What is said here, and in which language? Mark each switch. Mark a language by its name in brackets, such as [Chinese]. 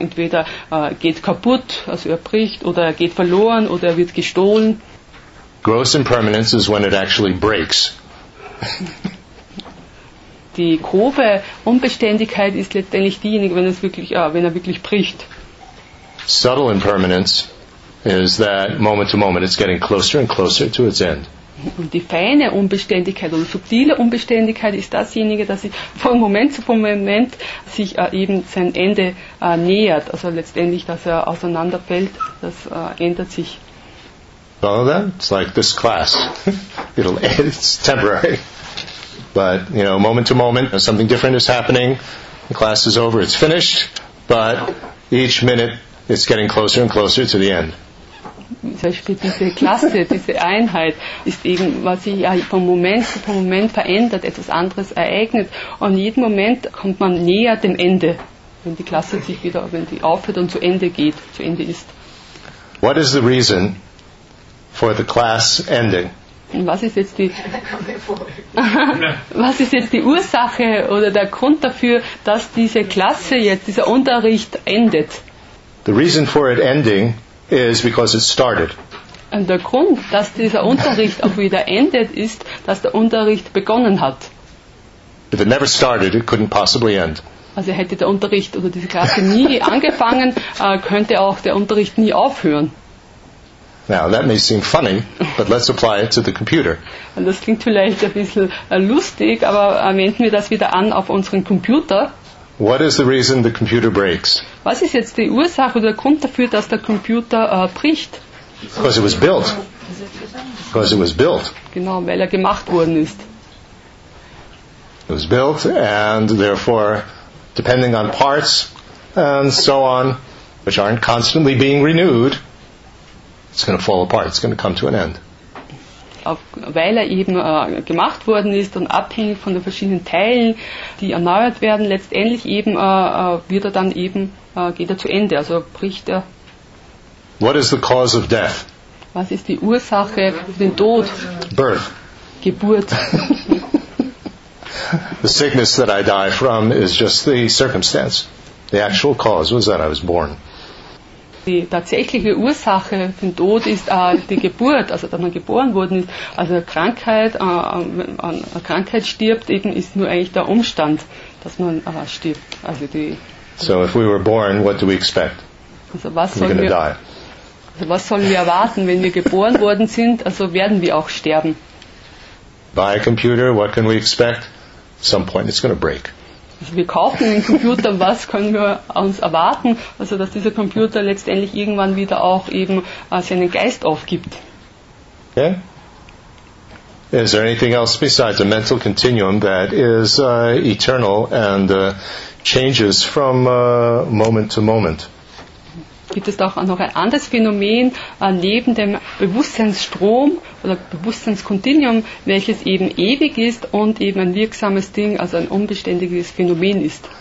[German] Entweder geht kaputt, also bricht, oder geht verloren, oder wird gestohlen. [English] Gross impermanence is when it actually breaks. [German] Die grobe Unbeständigkeit ist letztendlich diejenige, wenn es wirklich, wenn wirklich bricht. [English] Subtle impermanence is that moment to moment it's getting closer and closer to its end. [German] Und die feine Unbeständigkeit oder subtile Unbeständigkeit ist dasjenige, dass sich von Moment zu Moment sich eben sein Ende nähert. Also letztendlich, dass auseinanderfällt, das ändert sich. [English] Follow that? It's like this class. It's temporary. But, you know, moment to moment, something different is happening. The class is over, it's finished. But each minute, it's getting closer and closer to the end. [German] Zum Beispiel diese Klasse, diese Einheit ist eben, was sich von Moment zu Moment verändert, etwas anderes ereignet. Und in jedem Moment kommt man näher dem Ende, wenn die Klasse sich wieder, wenn die aufhört und zu Ende geht, zu Ende ist. [English] What is the reason for the class ending? [German] Was ist jetzt die Ursache oder der Grund dafür, dass diese Klasse jetzt, dieser Unterricht endet? [English] The reason for it ending is because it started. [German] Und der Grund, dass dieser Unterricht auch wieder endet, ist, dass der Unterricht begonnen hat. [English] If it never started, it couldn't possibly end. [German] Also hätte der Unterricht oder diese Klasse nie angefangen, könnte auch der Unterricht nie aufhören. [English] Now that may seem funny, but let's apply it to the computer. [German] Und das klingt vielleicht ein bisschen lustig, aber wenden wir das wieder an auf unseren Computer. [English] What is the reason the computer breaks? [German] Was ist jetzt die Ursache oder der Grund dafür, dass der Computer bricht? [English] Because it was built. Because it was built. [German] Genau, weil gemacht worden ist. [English] It was built and therefore depending on parts and so on which aren't constantly being renewed, it's going to fall apart. It's going to come to an end. [German] Weil eben gemacht worden ist und abhängig von den verschiedenen Teilen, die erneuert werden, letztendlich eben wird dann eben geht zu Ende, also bricht [English] What is the cause of death? [German] Was ist die Ursache für den Tod? [English] Birth. [German] Geburt. [English] The sickness that I die from is just the circumstance. The actual cause was that I was born. [German] Die tatsächliche Ursache für den Tod ist die Geburt, also dass man geboren worden ist. Also Krankheit, wenn man an Krankheit stirbt, eben ist nur eigentlich der Umstand, dass man stirbt. Also die. [English] So if we were born, what do we expect? [German] Also was sollen wir? Also was sollen wir erwarten, wenn wir geboren worden sind? Also werden wir auch sterben? [English] By a computer, what can we expect? At some point, it's going to break. [German] Also wir kaufen einen Computer, was können wir uns erwarten? Also dass dieser Computer letztendlich irgendwann wieder auch eben seinen Geist aufgibt. Okay. [English] Is there anything else besides a mental continuum that is eternal and changes from moment to moment? [German] Gibt es doch auch noch ein anderes Phänomen neben dem Bewusstseinsstrom oder Bewusstseinskontinuum, welches eben ewig ist und eben ein wirksames Ding, also ein unbeständiges Phänomen ist?